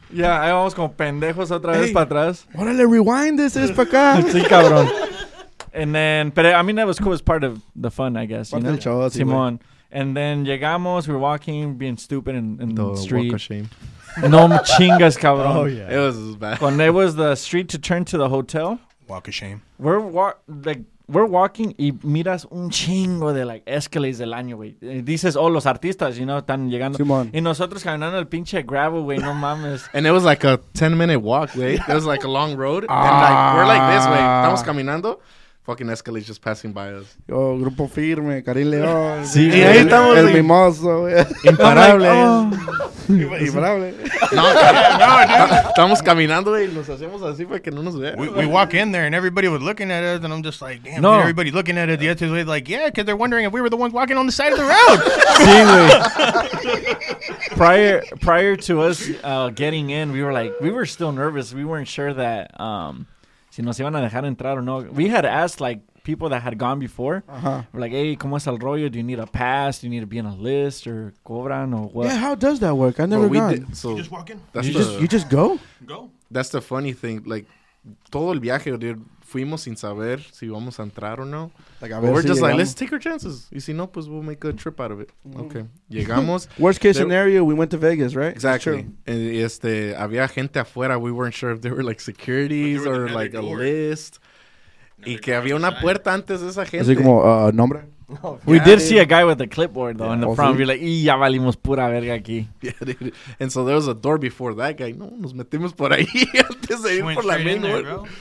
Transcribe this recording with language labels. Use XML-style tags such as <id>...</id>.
<es>Yeah, ahí vamos como pendejos otra vez para atrás. Órale,</es> <en>rewind this,</en> <es>es para acá. Sí, cabrón.</es> <en>And then, but I mean, that was cool as part of the fun, I guess. You know?</en> <es>Chavos,</es> <en>Simón. And then</en> <es>llegamos,</es> <en>we're walking, being stupid in the street. Walk of shame.</en> <es>No chingas, cabrón.</es> <en>Oh, yeah. It was bad. When it was the street to turn to the hotel. Walk of shame. We're walking</en> <es>y miras un chingo de, like, escalades del año, güey. Dices, oh, los artistas,</es> <en>you know,</en> <es>están llegando. Simón. Y nosotros caminando el pinche gravel, güey, no mames.</es> <en>And it was like a 10-minute walk,</en> <es>güey.</es> <en>It was like a long road. And like, we're like this,</en> <es>güey. Estamos caminando.</es> <en>Fucking escalades just passing by us.</en> <es>Yo, Grupo Firme, Karim León. Sí, y ahí estamos. El Mimoso, güey. Imparable. Imparable. No, estamos caminando, güey, y nos hacemos así para que no nos vean.</es> <en>We walk in there, and everybody was looking at us, and I'm just like, damn, no. Everybody looking at us. Yeah. The other way, like, yeah, because they're wondering if we were the ones walking on the side of the road.</en> <es>Sí, güey.</es> <en>Prior to us getting in, we were like, we were still nervous. We weren't sure that...</en> <es>si nos iban a dejar entrar o no.</es> <en>We had asked, like, people that had gone before. Uh-huh. We're like, hey,</en> <es>¿cómo es el rollo?</es> <en>Do you need a pass? Do you need to be on a list or</en> <es>cobran</es> <en>or what? Yeah, how does that work? I never gone. So you just walk in? You just go? Go. That's the funny thing. Like,</en> <es>todo el viaje,</es> <en>dude,</en> <es>fuimos sin saber si vamos a entrar o no.</es> <en>Like, we're</en> <es>si</es> <en>just</en> <es>llegamos.</es> <en>Like, let's take our chances.</en> <es>Y si no, pues</es> <en>we'll make a trip out of it. Mm. Okay.</en> <es>Llegamos.</es> <en>Worst case scenario, we went to Vegas, right? Exactly.</en> <es>Este, había gente afuera.</es> <en>We weren't sure if they were like securities or like a list.</en> <es>Y que había una puerta antes de esa gente. Así como, nombre.</es> <en>Oh, we did see a guy with a clipboard, though, in the front. We're like,</en> <es>y ya valimos pura verga aquí.</es> <en>Yeah, dude. And so there was a door before that guy.</en> <es>No, nos metimos por ahí antes de ir por la</es> <en>main door.</en>